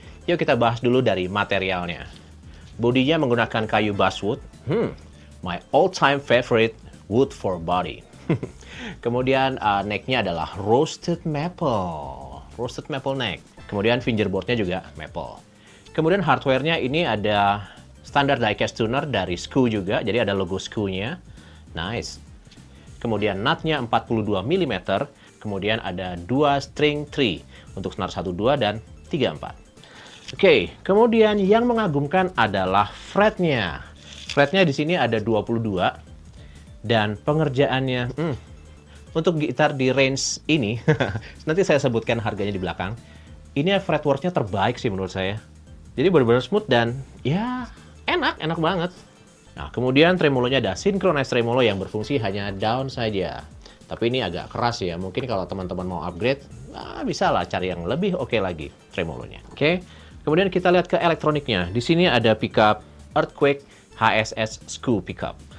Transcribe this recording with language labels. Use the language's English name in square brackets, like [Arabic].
[Indonesian] Yuk kita bahas dulu dari materialnya. Bodinya menggunakan kayu basswood. [English] My all-time favorite wood for body. [Indonesian] Kemudian necknya adalah roasted maple. Roasted maple neck. Kemudian fingerboardnya juga maple. Kemudian hardware-nya ini ada standard diecast tuner dari SKU juga. Jadi ada logo SKU-nya. Nice. Kemudian nut-nya 42 mm. Kemudian ada 2 string 3 untuk senar 1-2 dan 3-4. Oke, kemudian yang mengagumkan adalah fretnya. Fretnya di sini ada 22 dan pengerjaannya untuk gitar di range ini, nanti saya sebutkan harganya di belakang. Ini fretworknya terbaik sih menurut saya. Jadi benar-benar smooth dan ya enak banget. Nah, kemudian tremolonya ada synchronized tremolo yang berfungsi hanya down saja. Tapi ini agak keras ya. Mungkin kalau teman-teman mau upgrade, bisa lah cari yang lebih oke lagi tremolonya. Oke. Kemudian kita lihat ke elektroniknya. Di sini ada pickup Earthquake HSS SKU pickup.